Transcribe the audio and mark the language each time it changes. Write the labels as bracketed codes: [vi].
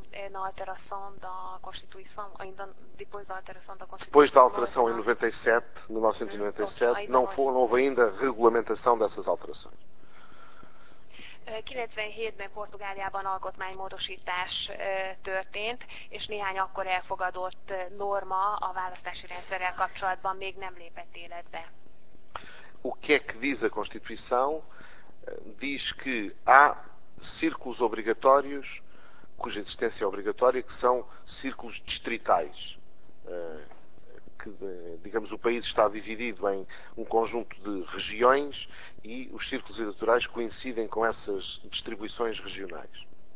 [pt] Na alteração da Constituição, ainda depois da alteração da Constituição. Depois da alteração em 1997, não houve ainda regulamentação dessas alterações. [hu] 97-ben Portugáliában alkotmánymódosítás történt, és néhány akkor elfogadott norma a választási rendszerrel kapcsolatban még nem lépett életbe. [pt] O que é que diz a Constituição? Diz que há círculos obrigatórios cuja existência é obrigatória, que são círculos distritais. Que, digamos, o país está dividido em um conjunto de regiões e os círculos eleitorais coincidem com essas distribuições regionais.